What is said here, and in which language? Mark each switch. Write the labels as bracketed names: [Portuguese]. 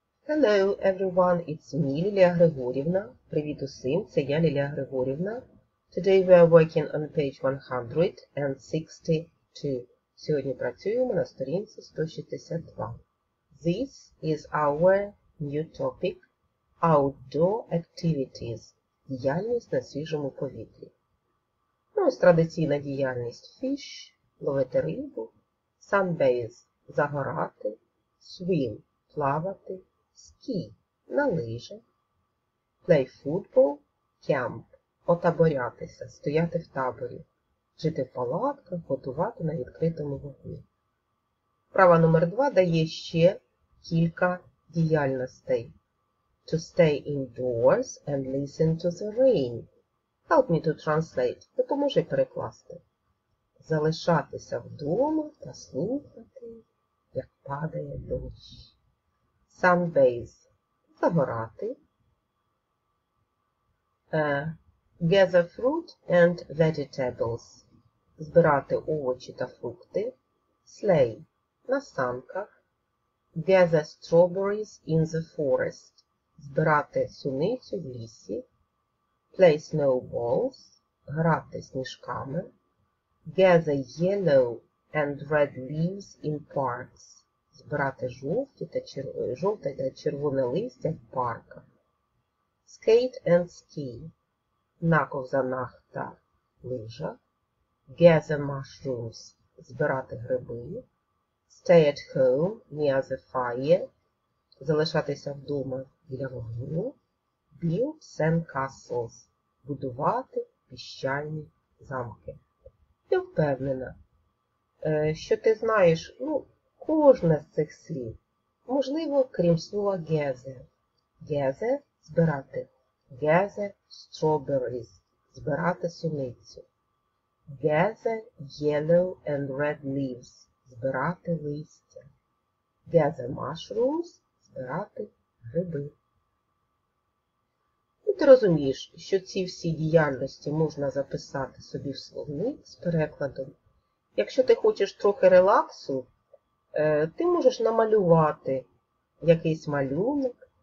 [English] Hello everyone, it's me, Лилия Григорьевна. [Ukrainian] Привіт усім, це я, Лилия Григорьевна. [English] Today we are working on page 162. [Ukrainian] Сьогодні працюємо на сторінці 162. [English] This is our new topic, outdoor activities, [Ukrainian] діяльність на свіжому повітрі. Ну, ось традиційна діяльність [English] fish, [Ukrainian] ловити рибу, [English] sunbathe, [Ukrainian] загорати, [English] swim, [Ukrainian] плавати, [English] ski, [Ukrainian] на лижі, [English] play football, camp, [Ukrainian] отаборятися, стояти в таборі, жити в палатках, готувати на відкритому вогні. Права номер 2 дає ще кілька діяльностей. [English] To stay indoors and listen to the rain. Help me to translate. [Ukrainian] Допоможи перекласти. Залишатися вдома та слухати, як падає дощ. [English] Sunbathe. [Ukrainian] Загорати. [English] Gather fruit and vegetables. [Ukrainian] Збирати овочі та фрукти. [English] Slay. [Ukrainian] На санках. [English] Gather strawberries in the forest. [Ukrainian] Збирати суницю в лісі. [English] Play snowballs. [Ukrainian] Грати сніжками. [English] Gather yellow and red leaves in parks. [Ukrainian] Збирати жовте та червоне листя в парках. [English] Skate and ski. [Ukrainian] На ковзанах та лижа. [English] Gather mushrooms. [Ukrainian] Збирати гриби. [English] Stay at home near the fire. [Ukrainian] Залишатися вдома біля вогню. [English] Build sand castles. [Ukrainian] Будувати піщальні замки. Ти впевнена, що ти знаєш, ну, кожне з цих слів, можливо, крім слова gather. [English] Gather – [Ukrainian] збирати. [English] Gather strawberries – [Ukrainian] збирати суницю. [English] Gather yellow and red leaves – [Ukrainian] збирати листя. [English] Gather mushrooms – [Ukrainian] збирати гриби. І ти розумієш, що ці всі діяльності можна записати собі в словник з перекладом. Якщо ти хочеш трохи релаксу, ти можеш намалювати якийсь малюнок.